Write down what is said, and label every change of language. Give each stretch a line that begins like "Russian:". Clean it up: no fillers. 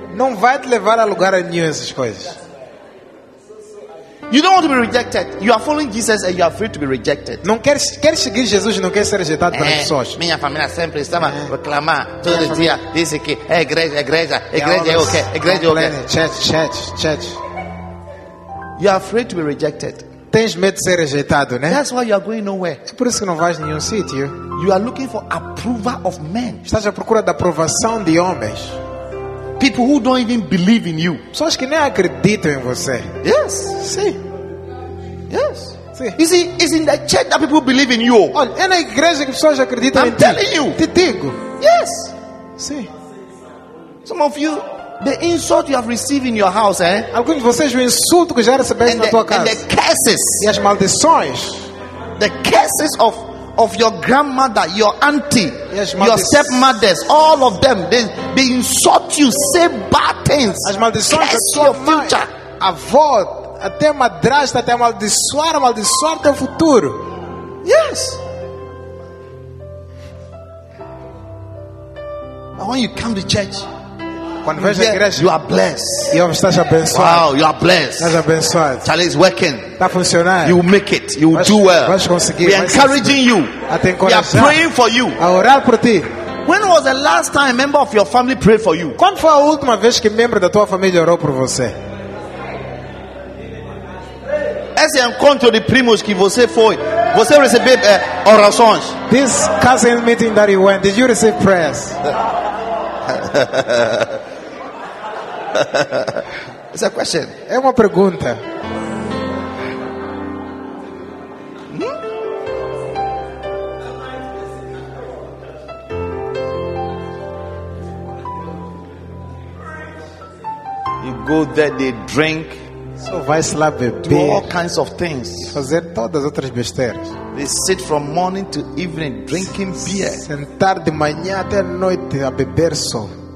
Portuguese: Não vai te levar a lugar nenhum essas coisas.
English: You don't want to be rejected. You are following Jesus and you are afraid to be rejected.
Portuguese: Não queres, queres seguir Jesus e não queres ser rejeitado pelas pessoas. Minha família sempre estava reclamar todo dia. Disse que é igreja, igreja, igreja é o quê? Igreja é o quê?
English: Church. You are afraid to be rejected.
Portuguese: Tens medo de ser rejeitado, né?
English: That's why you are going nowhere.
Portuguese: É por isso que não vais nenhum sítio.
English: You are looking for approval of men.
Portuguese: Estás à procura da aprovação de homens.
English: People who don't even believe in you.
Portuguese: Pessoas que nem acreditam em você.
English: Yes.
Portuguese: Sim.
English: Yes.
Portuguese: Sim.
English: You see, it's in the church that people believe in you.
Portuguese: Olha, é na igreja que pessoas acreditam
English: I'm telling
Portuguese: ti.
English: You.
Portuguese: Te digo.
English: Yes.
Portuguese: Sim.
English: Some of you, the insult you have received in your house, eh?
Portuguese: Alguns de vocês, o insulto que já recebeste na tua casa.
English: And the curses.
Portuguese: E as maldições.
English: The curses of of your grandmother, your auntie, your stepmothers, all of them, they insult you, say bad things, curse your future.
Portuguese: Avó, até madrasta, até amaldiçoar teu futuro.
English: Yes. And when you come to church, you are blessed.
Portuguese: You estás abençoado.
English: Wow, you are blessed.
Portuguese: Estás abençoado.
English: Charlie is working.
Portuguese: Está funcionando.
English: You will make it. You will do well.
Portuguese: Vais conseguir.
English: We are encouraging you. We are praying for you.
Portuguese: A orar por ti.
English: When was the last time a member of your family prayed for you?
Portuguese: Quando foi a última vez que membro da tua família orou por você? Esse encontro de primos que você foi, você recebeu orações?
English: This cousin meeting that you went, did you receive prayers? It's a question.
Portuguese: É uma pergunta.
English: You go there, they drink.
Portuguese: So vai lá beber.
English: Do all kinds of things.
Portuguese: Fazer todas as outras besteiras.
English: They sit from morning to evening drinking beer.
Portuguese: Sentar de manhã até noite a beber só.